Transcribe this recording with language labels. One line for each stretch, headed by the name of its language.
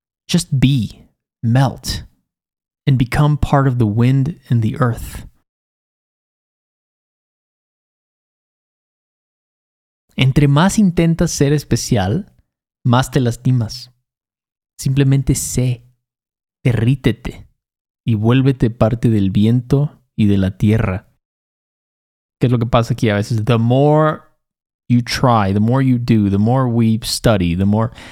English: Just be, melt, and become part of the wind and the earth.
Spanish: Entre más intentas ser especial, más te lastimas. Simplemente sé, derrítete y vuélvete parte del viento y de la tierra. ¿Qué es lo que pasa aquí a veces?
English: The more you try, the more you do, the more we study, the more...